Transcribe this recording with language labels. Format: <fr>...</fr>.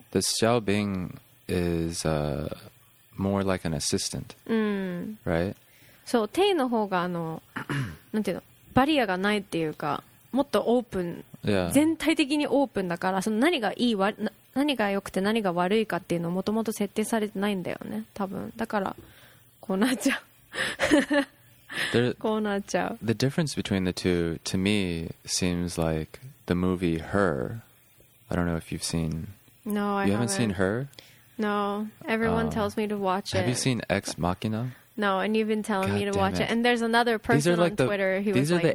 <en>The Xiao Bing is more like an assistant, right?</en> <ja>So Tay の方があの、なんていうの、バリアがないっていうか、もっとオープン、全体的にオープンだから、その何がいい、何が良くて何が悪いかっていうのもともと設定されてないんだよね、多分。だから、こうなっちゃう。</ja> <en>The difference between the two to me seems like the movie Her. I don't know if you've seen. No, I haven't. You haven't seen Her? No, everyone tells me to watch it. Have you seen Ex Machina? No, and you've been telling me to watch it. And there's another person on Twitter who was like, watch it.</en>